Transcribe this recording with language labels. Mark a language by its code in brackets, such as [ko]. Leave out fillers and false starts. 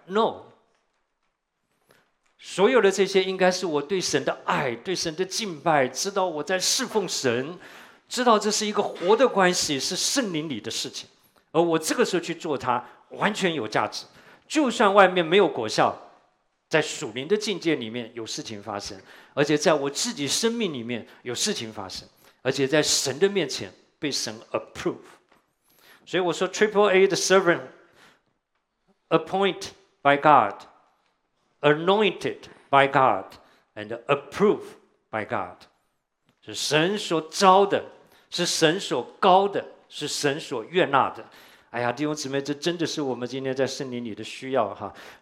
[zh] No， 所有的这些应该是我对神的爱，对神的敬拜，知道我在侍奉神，知道这是一个活的关系，是圣灵里的事情，而我这个时候去做它完全有价值。就算外面没有果效，在属灵的境界里面有事情发生，而且在我自己生命里面有事情发生，而且在神的面前被神 approve。所以我说 AAA 的 [en] servant appointed by God, anointed by God, and approved by God。 [zh] 是神所招的，是神所高的，是神所悦纳的。哎呀，弟兄姊妹，这真的是我们今天在圣灵里的需要哈。